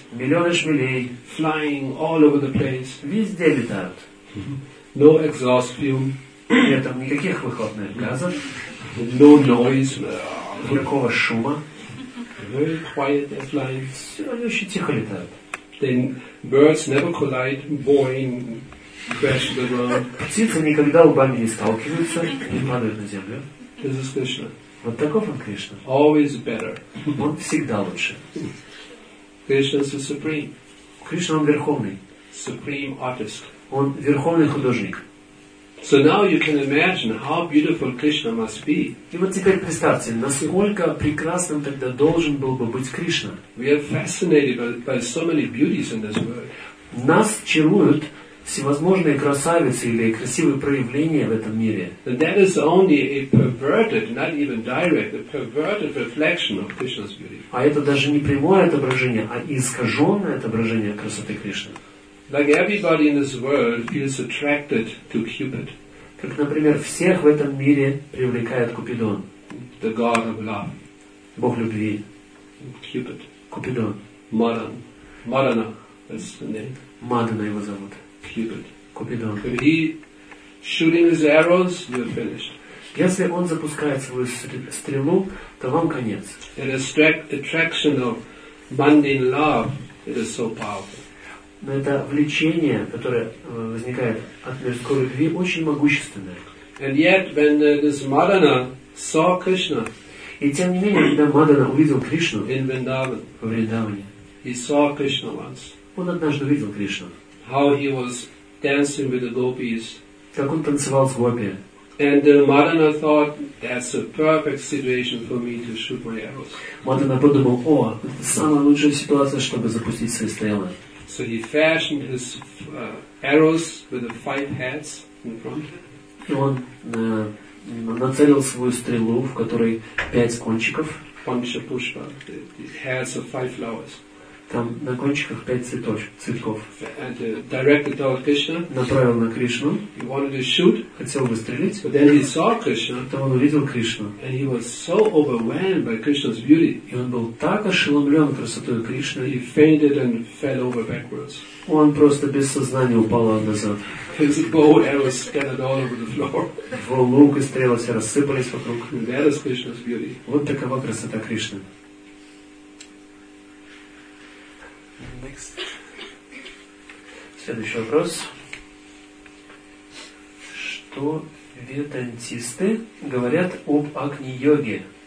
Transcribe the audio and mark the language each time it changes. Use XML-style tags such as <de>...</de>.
<ru>Миллионы шмелей.</ru> <en>Flying all over the place.</en> <ru>Везде летают.</ru> <en>No exhaust fume.</en> <ru>Нет там никаких выхлопных газов.</ru> <en>No noise.</en> <ru>Никакого шума.</ru> <en>Very quiet and flying.</en> <ru>Все, они очень тихо летают.</ru> <en>Then birds never collide, boing, crash to the ground.</en> <ru>Птицы никогда лбами не сталкиваются и падают на землю.</ru> <en>This is Krishna.</en> <ru>Вот таков он Кришна.</ru> <en>Always better.</en> <ru>Он всегда лучше.</ru> <en>Krishna is the supreme.</en> <ru>Кришна, он верховный.</ru> <en>Supreme artist.</en> <ru>Он верховный художник.</ru> <en>So now you can imagine how beautiful Krishna must be.</en> <ru>И вот теперь представьте, насколько прекрасным тогда должен был бы быть Кришна.</ru> <en>We are fascinated by so many beauties in this world.</en> <ru>Нас чаруют всевозможные красавицы или красивые проявления в этом мире.</ru> <en>And that is only a perverted, not even direct, a perverted reflection of Krishna's beauty.</en> <ru>А это даже не прямое отображение, а искаженное отображение красоты Кришны.</ru> <en>Like everybody in this world feels attracted to Cupid.</en> <ru>Как, например, всех в этом мире привлекает Купидон.</ru> <en>The god of love.</en> <ru>Бог любви.</ru> <en>Cupid.</en> <ru>Купидон.</ru> <en>Madan. Madana. That's the name.</en> <ru>Мадана его зовут.</ru> <en>Cupid.</en> <ru>Купидон.</ru> <en>If he shooting his arrows, you're finished.</en> <ru>Если он запускает свою стрелу, то вам конец.</ru> <en>And the attraction of mundane love, it is so powerful.</en> <ru>Но это влечение, которое возникает от мирской любви, очень могущественное.</ru> <en>And yet, when this Madana saw Krishna,</en> <ru>и тем не менее, когда Мадана увидел Кришну</ru> <en>in Vrindavan,</en> <ru>в Вриндаване,</ru> <en>he saw Krishna once.</en> <ru>Он однажды увидел Кришну.</ru> <en>How he was dancing with the gopis.</en> <ru>Как он танцевал с гопи.</ru> <en>And then Madana thought, that's a perfect situation for me to shoot my arrows.</en> <ru>Мадана подумал, о, это самая лучшая ситуация, чтобы запустить свои стрелы.</ru> <en>So he fashioned his arrows with the five heads in front.</en> <ru>Он нацелил свою стрелу, в которой пять кончиков.</ru> <en>Pancha Pushpa, the heads of five flowers.</en> <ru>Там на кончиках пять цветков.</ru> <en>And directed toward Krishna.</en> <ru>Направил на Кришну.</ru> <en>He wanted to shoot.</en> <ru>Хотел бы стрелять.</ru> <en>But then he saw Krishna.</en> <ru>Потом он увидел Кришну.</ru> <en>And he was so overwhelmed by Krishna's beauty.</en> <ru>И он был так ошеломлен красотой Кришны.</ru> <en>He fainted and fell over backwards.</en> <ru>Он просто без сознания упал назад.</ru> <en>His bow and arrows scattered all over the floor.</en> <ru>Его лук и стрелы все рассыпались вокруг.</ru> <en>And that is Krishna's beauty.</en> <ru>Вот такова красота Кришны. Следующий вопрос. Что ведантисты говорят об Агни-йоге?</ru>